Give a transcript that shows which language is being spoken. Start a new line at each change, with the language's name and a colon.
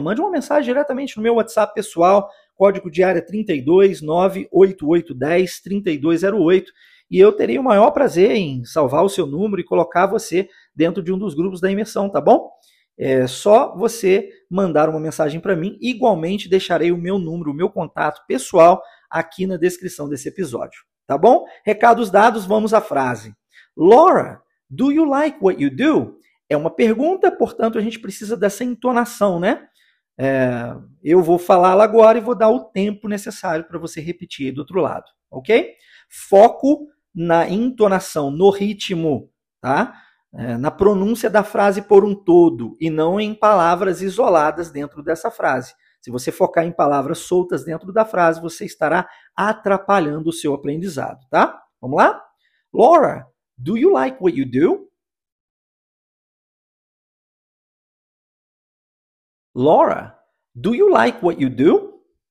Portuguese: Mande uma mensagem diretamente no meu WhatsApp pessoal, código de área 32988103208, e eu terei o maior prazer em salvar o seu número e colocar você dentro de um dos grupos da imersão, tá bom? É só você mandar uma mensagem para mim. Igualmente, deixarei o meu número, o meu contato pessoal aqui na descrição desse episódio. Tá bom? Recados dados, vamos à frase.
English: Laura, do you like what you do?
Portuguese: É uma pergunta, portanto, a gente precisa dessa entonação, né? Eu vou falá-la agora e vou dar o tempo necessário para você repetir aí do outro lado, ok? Foco na entonação, no ritmo, tá? Na pronúncia da frase por um todo e não em palavras isoladas dentro dessa frase. Se você focar em palavras soltas dentro da frase, você estará atrapalhando o seu aprendizado, tá? Vamos lá?
English: Laura, do you like what you do? Laura, do you like what you do?